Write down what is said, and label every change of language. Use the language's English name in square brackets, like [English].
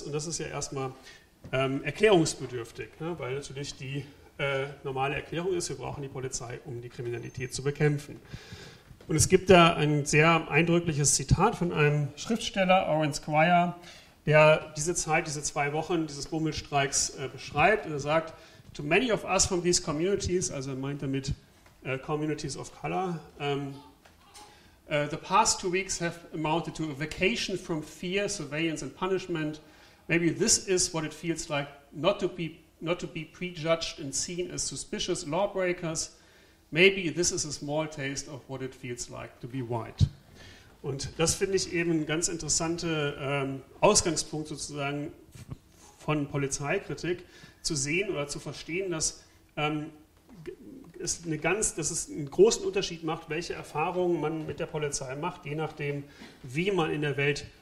[German] Und das ist ja erstmal erklärungsbedürftig, ne? Weil natürlich die normale Erklärung ist, wir brauchen die Polizei, um die Kriminalität zu bekämpfen. Und es gibt da ein sehr eindrückliches Zitat von einem Schriftsteller, Oren Squire, der diese Zeit, diese zwei Wochen dieses Bummelstreiks beschreibt. Und er sagt, [English] to many of us from these communities, [German] also er meint damit communities of color, [English] the past 2 weeks have amounted to a vacation from fear, surveillance and punishment. Maybe this is what it feels like not to be prejudged and seen as suspicious lawbreakers. Maybe this is a small taste of what it feels like to be white. [German] Und das finde ich eben ein ganz interessanter Ausgangspunkt sozusagen von Polizeikritik, zu sehen oder zu verstehen, dass es einen großen Unterschied macht, welche Erfahrungen man mit der Polizei macht, je nachdem, wie man in der Welt